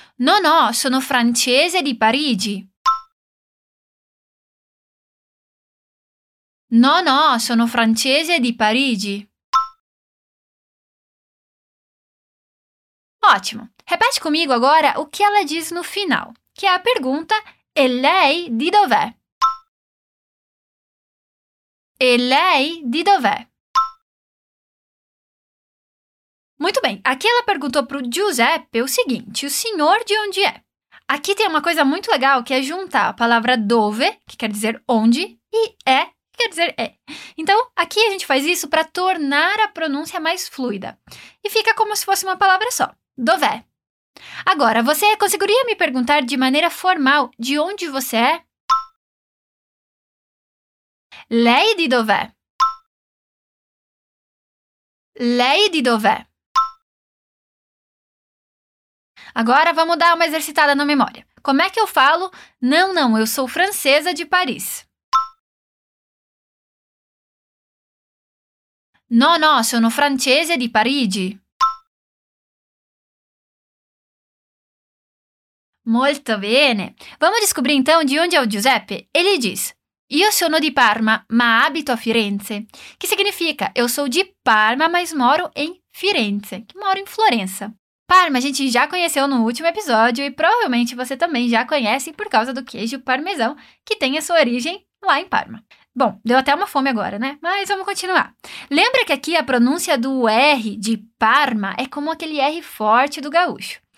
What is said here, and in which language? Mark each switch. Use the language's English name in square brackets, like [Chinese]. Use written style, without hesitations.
[Italian] No, no, sono francese di Parigi. No, no, sono francese di Parigi. [Portuguese] Ótimo. Repete comigo agora o que ela diz no final, que é a pergunta: [Italian] e lei di dov'è? E lei di dov'è? [Portuguese] Muito bem, aqui ela perguntou para o Giuseppe o seguinte, o senhor de onde é? Aqui tem uma coisa muito legal, que é juntar a palavra dove, que quer dizer onde, e é, que quer dizer é. Então, aqui a gente faz isso para tornar a pronúncia mais fluida. E fica como se fosse uma palavra só, dov'è. Agora, você conseguiria me perguntar de maneira formal de onde você é? [Italian] Lei di dov'è? Lei di dov'è? [Portuguese] Agora, vamos dar uma exercitada na memória. Como é que eu falo? Não, não, eu sou francesa de Paris. [Italian] No, no, sono francese di Parigi. Molto bene. [Portuguese] Vamos descobrir, então, de onde é o Giuseppe? Ele diz, [Italian] io sono di Parma, ma abito a Firenze. [Portuguese] Que significa, eu sou de Parma, mas moro em Firenze. Que moro em Florença. Parma a gente já conheceu no último episódio e provavelmente você também já conhece por causa do queijo parmesão, que tem a sua origem lá em Parma. Bom, deu até uma fome agora, né? Mas vamos continuar. Lembra que aqui a pronúncia do R de Parma é como aquele R forte do gaúcho.